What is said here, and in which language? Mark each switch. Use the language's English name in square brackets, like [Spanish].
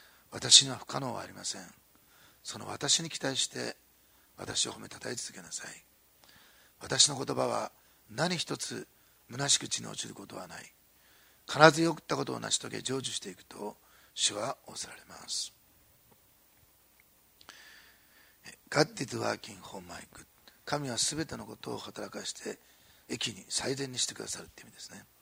[Japanese] 私には不可能はありません。その私に期待して私を褒めたたえ続けなさい。私の言葉は何一つ虚しく地に落ちることはない。必ず良ったことを成し遂げ成就していくと主は仰られます。 [English] God is working for my good. [Japanese] 神はすべてのことを働かせて益に、最善にしてくださるという意味ですね。